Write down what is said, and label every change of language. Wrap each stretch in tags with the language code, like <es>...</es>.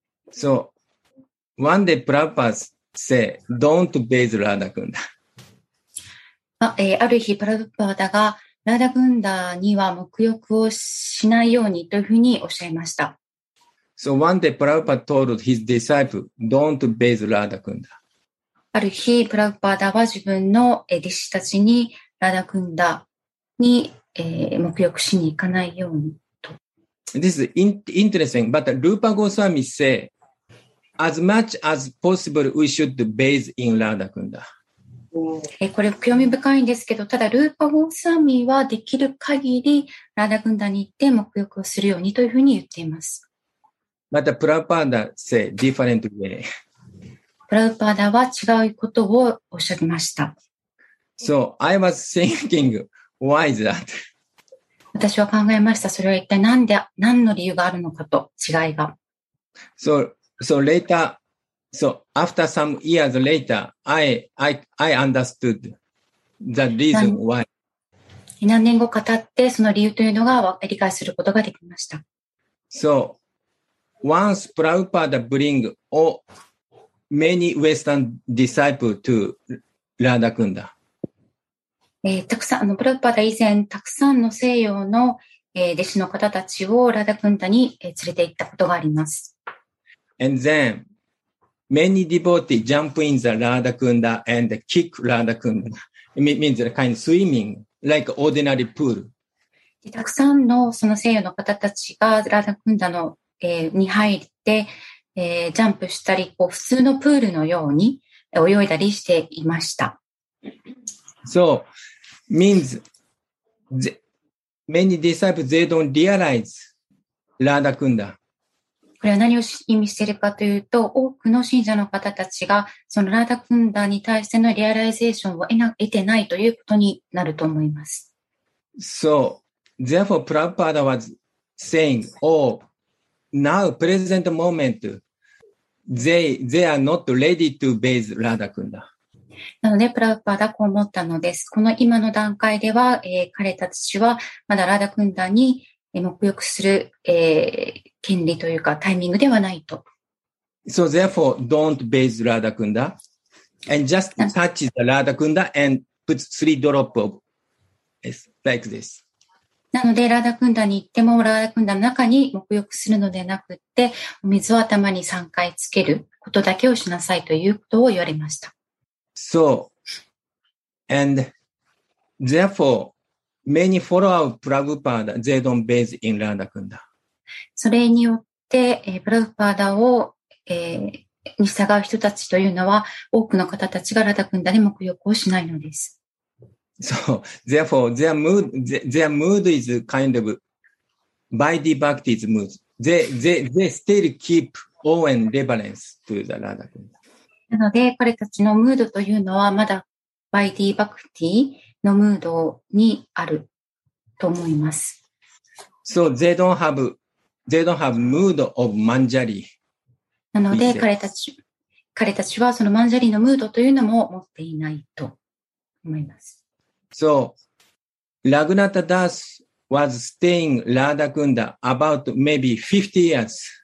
<en>So, one day Prabhupada say, don't bathe Radha Kunda.</en> <ja>あ、ある日プラグパーダがラダグンダには沐浴をしないようにというふうにおっしゃいました。</ja> <en>So one day Prabhupada told his disciple, don't bathe Radha Kunda.</en> <ja>ある日プラグパーダは自分の弟子たちにラダグンダに沐浴しに行かないようにと。</ja> <en>This is interesting, but Rupa Goswami say,As much as possible, we should bathe in Radha Kunda.</en> <ja>これ興味深いんですけど、ただルーパゴスワミはできる限りラダグンダに行って沐浴をするようにというふうに言っています。また</ja> <en>プラウパーダ say different way.</en> <ja>プラウパーダは違うことをおっしゃいました。</ja> <en>So I was thinking, why is that?</en> <ja>私は考えました。それは一体何で、何の理由があるのかと、違いが。</ja> <en>So later, so after some years later, I understood the reason why.</en> <ja>何年後か経ってその理由というのが理解することができました。</ja> <en>So once Prabhupada bring all many Western disciples to Radha Kunda.</en> <ja>たくさんあのプラウパーダ以前たくさんの西洋の、弟子の方たちをラダクンダに、連れて行ったことがあります。</ja> <en>And then many devotees jump in the Radha Kunda and kick Radha Kunda. It means a kind of swimming, like ordinary pool.</en> <ja>たくさんのその西洋の方たちがラダクンダの、に入って、ジャンプしたり、こう普通のプールのように泳いだりしていました。</ja> <en>So means many disciples they don't realize Radha Kunda.</en> <ja>これは何を意味しているかというと、多くの信者の方たちが、そのラダクンダに対してのリアライゼーションを得てないということになると思います。</ja> <en>So, therefore, Prabhupada was saying, oh, now, present moment, they are not ready to bathe Radha Kunda.</en> <ja>なので、プラブパーダはこう思ったのです。この今の段階では、彼たちはまだラダクンダに沐浴する、権利というかタイミングではないと。</ja> <en>So therefore, don't bathe Radha Kunda and just touch the Radha Kunda and put three drops of like this.</en> <ja>なので、ラダクンダに行っても、ラダクンダの中に沐浴するのではなくって、お水を頭に3回つけることだけをしなさいということを言われました。</ja> <en>So, and therefore, many follow up Prabhupada, they don't bathe in Radha Kunda.</en> <ja>それによって、プラグパーダを、に従う人たちというのは多くの方たちがラダクンダで沐浴をしないのです。</ja> <en>So, therefore, their mood is kind of Vaidhi Bhakti's mood. They still keep awe and reverence to the Radha Kunda.</en> <ja>なので彼たちのムードというのはまだ Vaidhi Bhakti のムードにあると思います。</ja> <en>So, they don't have mood of manjari.</en> <ja>なので彼たちはそのマンジャリのムードというのも持っていないと思います。</ja> <en>So, Raghunatha Das was staying Radha Kunda about maybe 50 years.</en>